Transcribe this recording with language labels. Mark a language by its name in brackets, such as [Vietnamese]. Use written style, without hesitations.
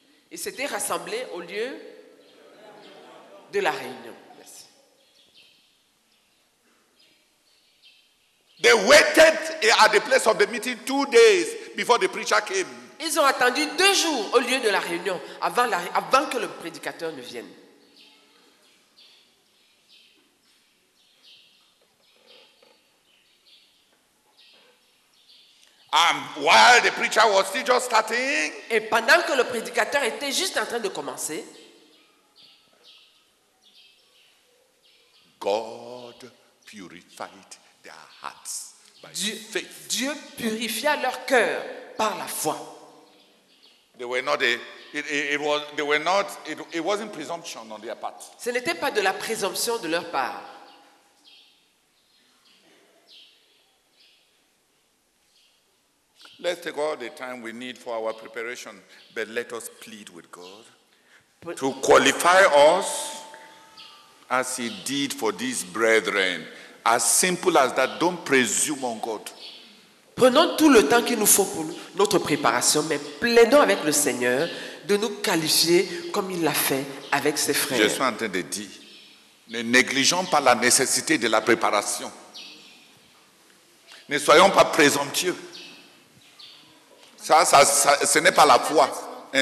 [French] Ils s'étaient rassemblés au lieu de la réunion. Merci. [English] They waited at the place of the meeting 2 days before the preacher came. [French] Ils ont attendu 2 jours au lieu de la réunion avant que le prédicateur ne vienne. [English] And while the preacher was still just starting, [French] et pendant que le prédicateur était juste en train de commencer, [English] God purified their hearts by faith. [French] Dieu purifia leur cœur par la foi. [English] They were not a, it wasn't presumption on their part. [French] Ce n'était pas de la présomption de leur part. [English] Let's take all the time we need for our preparation, but let us plead with God to qualify us as he did for these brethren. As simple as that, don't presume on God. [French] Prenons tout le temps qu'il nous faut pour notre préparation, mais plaidons avec le Seigneur de nous qualifier comme il l'a fait avec ses frères. Je suis en train de dire, ne négligeons pas la nécessité de la préparation. Ne soyons pas présomptueux. Ça, ce n'est pas la foi.